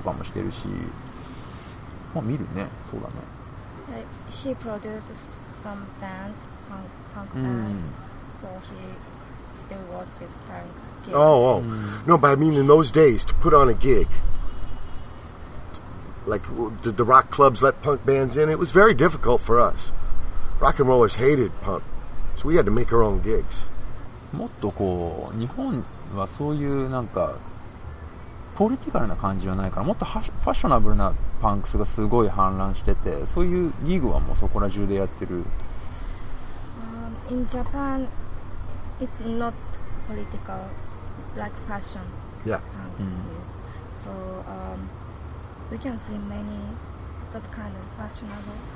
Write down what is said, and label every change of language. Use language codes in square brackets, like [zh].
[ja] うん、見るね。あ、最近はその、今はそんなに人のライブを日本で見に行くことはすごく稀になってきたけど、まあでも今でもまあパンクのバンドのプロデュースを俺はしたりとかもしてるし、まあ見るね、そうだね。 [en] He produced some bands, punk bands, so he still watches punk gigs. Oh. No, but I mean in those days, to put on a gig, like, did the rock clubs let punk bands in? It was very difficult for us. Rock and rollers hated punk, so we had to make our own gigs. [ja] もっとこう日本はそういうなんかポリティカルな感じはないから、もっとファッショナブルなパンクスがすごい氾濫してて、そういうギグはもうそこら中でやってる。 [en] In Japan, it's not political. It's like fashion. Yeah. So We can see many that kind of fashionable.